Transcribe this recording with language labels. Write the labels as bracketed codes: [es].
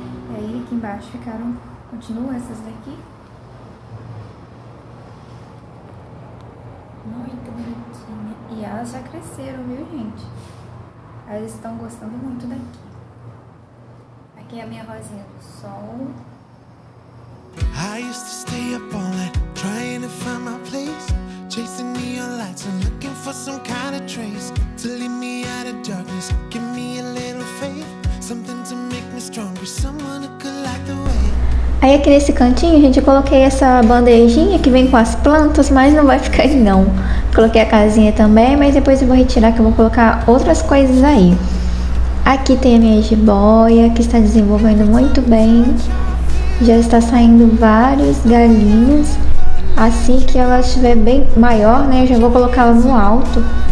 [pt] E aí aqui embaixo ficaram... Continuam essas daqui. Muito bonitinha. E elas já cresceram, viu, gente? Elas estão gostando muito daqui. Aqui é a minha rosinha do sol. [en] I used to stay up all night, trying to find my place. Chasing neon lights and looking for some kind of trace. To lead me out of darkness, give me a little faith. Something to make me stronger, someone who could light the way. [pt] Aí aqui nesse cantinho, gente, eu coloquei essa bandejinha que vem com as plantas, mas não vai ficar aí não. Coloquei a casinha também, mas depois eu vou retirar que eu vou colocar outras coisas aí. Aqui tem a minha jiboia, que está desenvolvendo muito bem. Já está saindo vários galinhos. Assim que ela estiver bem maior, né, eu já vou colocar ela no alto.